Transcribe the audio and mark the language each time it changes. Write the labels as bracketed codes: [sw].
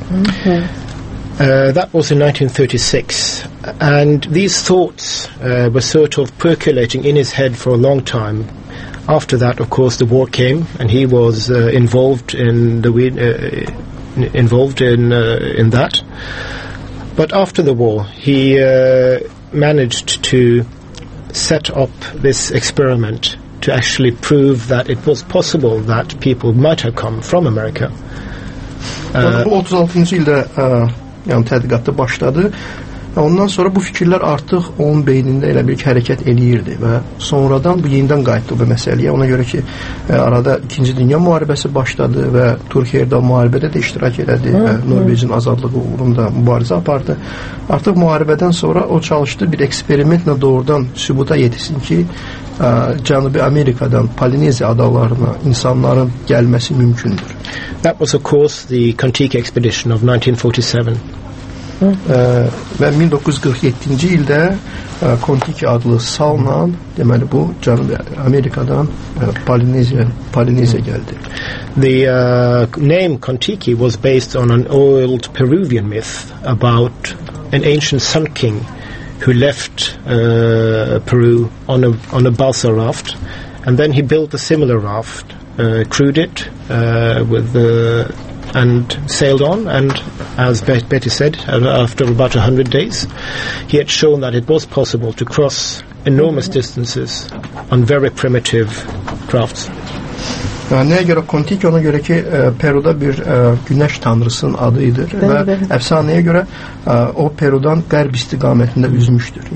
[en] That was in 1936 and these thoughts were sort of percolating in his head for a long time. After that, of course, the war came, and he was involved in that. But after the war, he managed to set up this experiment to actually prove that it was possible that people might have come from America. [az] Bu 36-cı ildə yəni tədqiqatı başladı. Ondan sonra bu fikirlər artıq onun beynində elə bir hərəkət eləyirdi və sonradan bu yenidən qayıtdı bu məsələyə. Ona görə ki, arada 2-ci Dünya müharibəsi başladı və Türkiyə də müharibədə də iştirak elədi və Norveçin azadlığı uğrunda mübarizə apardı. Artıq müharibədən sonra o çalışdı bir eksperimentlə doğrudan sübuta yetişsin ki, Cənubi Amerikadan Polineziya adalarına insanların gəlməsi mümkündür. [en] That was of course the Kon-Tiki expedition of 1947. [az] Və 1947-ci ildə Kon-Tiki adlı salla, deməli bu Cənubi Amerikadan Polineziya gəldi. [en] The name Kon-Tiki was based on an old Peruvian myth about an ancient sun king who left Peru on a balsa raft, and then he built a similar raft, crewed it and sailed on, and as Betty said, after about 100 days, he had shown that it was possible to cross enormous distances on very primitive crafts. [az] Nəyə görə Kon-Tiki? Ona görə ki, Peruda bir günəş tanrısının adıdır və əfsanəyə görə o Perudan qərb istiqamətində üzmüşdür.